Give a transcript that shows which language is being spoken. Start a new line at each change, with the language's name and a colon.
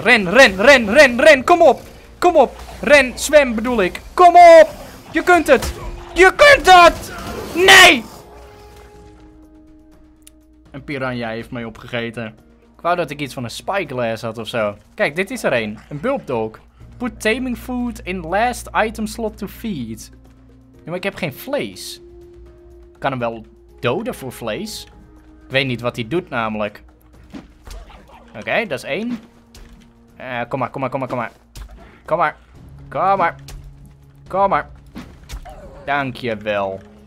Dutch: Ren, ren, ren, ren, ren. Kom op. Kom op. Ren, zwem bedoel ik. Kom op. Je kunt het. Je kunt dat. Nee. Een piranha heeft mij opgegeten. Ik wou dat ik iets van een spyglass had ofzo. Kijk, dit is er een. Een bulbdog.
English: Put taming food in last item slot to feed.
Dutch: Ja, maar ik heb geen vlees. Ik kan hem wel doden voor vlees. Ik weet niet wat hij doet namelijk. Oké, dat is één. Kom maar, kom maar, kom maar, kom maar. Kom maar. Kom maar. Kom maar. Dankjewel.